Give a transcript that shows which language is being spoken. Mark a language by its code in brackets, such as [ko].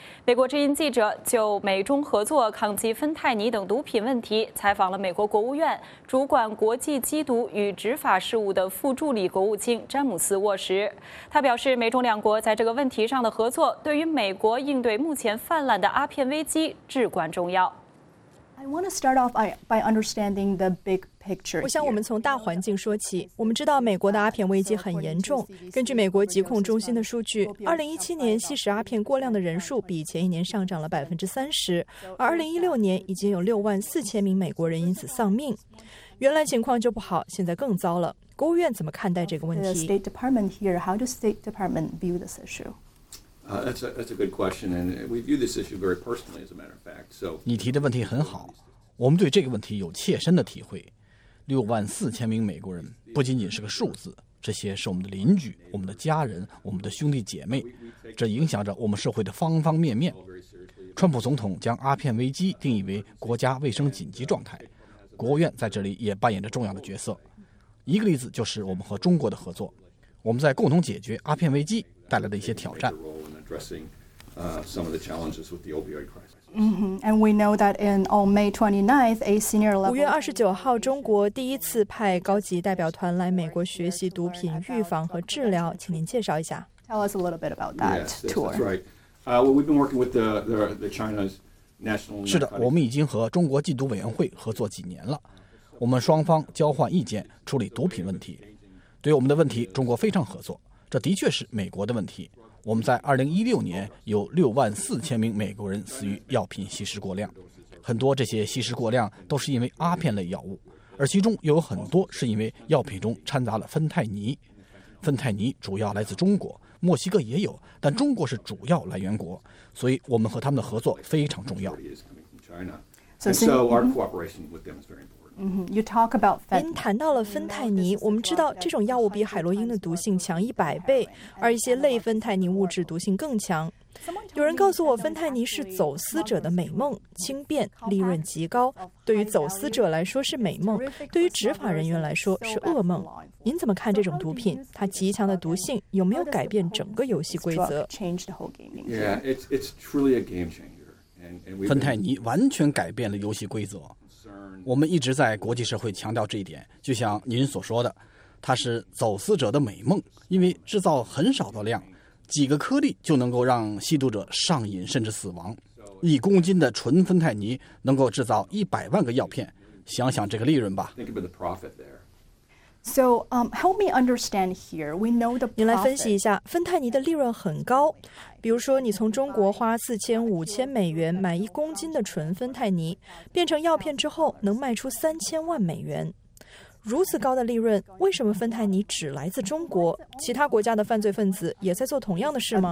[zh] 美国之音记者就美中合作抗击芬太尼等毒品问题采访了美国国务院主管国际缉毒与执法事务的副助理国务卿詹姆斯·沃什。他表示，美中两国在这个问题上的合作对于美国应对目前泛滥的阿片危机至关重要。 [en] I want to start off by understanding the big picture. [zh] 我想我们从大环境说起。我们知道美国的阿片危机很严重。根据美国疾控中心的数据，2017年吸食阿片过量的人数比前一年上涨了30%，而2016年已经有64,000名美国人因此丧命。原来情况就不好，现在更糟了。国务院怎么看待这个问题 [en] ？The State Department here, how does State Department view this issue? That's a good question, and we view this issue very personally, as a matter of fact. So, [zh] 你提的问题很好，我们对这个问题有切身的体会。六万四千名美国人不仅仅是个数字，这些是我们的邻居、我们的家人、我们的兄弟姐妹，这影响着我们社会的方方面面。川普总统将阿片危机定义为国家卫生紧急状态，国务院在这里也扮演着重要的角色。一个例子就是我们和中国的合作，我们在共同解决阿片危机带来的一些挑战。 [en] Some of the challenges with the opioid crisis. And we know that in on May 29th, a senior level. [zh] 5月29号，中国第一次派高级代表团来美国学习毒品预防和治疗，请您介绍一下。 [en] Tell us a little bit about that tour. Yes, that's right. Well, we've been working with the China's national. [zh] 是的，我们已经和中国禁毒委员会合作几年了。我们双方交换意见，处理毒品问题。对我们的问题，中国非常合作。这的确是美国的问题。我们在2016年有64,000名美国人死于药品吸食过量，很多这些吸食过量都是因为阿片类药物，而其中又有很多是因为药品中掺杂了芬太尼。芬太尼主要来自中国，墨西哥也有，但中国是主要来源国，所以我们和他们的合作非常重要。 [en] You talk about fentanyl. [zh] 您谈到了芬太尼，我们知道这种药物比海洛因的毒性强100倍，而一些类芬太尼物质毒性更强。有人告诉我，芬太尼是走私者的美梦，轻便，利润极高，对于走私者来说是美梦，对于执法人员来说是噩梦。您怎么看这种毒品？它极强的毒性有没有改变整个游戏规则？ [en] Yeah, it's truly a game changer. [zh] 芬太尼完全改变了游戏规则。我们一直在国际社会强调这一点，就像您所说的，它是走私者的美梦，因为制造很少的量，几个颗粒就能够让吸毒者上瘾甚至死亡。一公斤的纯芬太尼能够制造100万个药片，想想这个利润吧。 [en] So, help me understand here. We know the profit. [zh] 你来分析一下，芬太尼的利润很高。比如说，你从中国花4000-5000美元买一公斤的纯芬太尼，变成药片之后，能卖出3000万美元。如此高的利润，为什么芬太尼只来自中国？其他国家的犯罪分子也在做同样的事吗？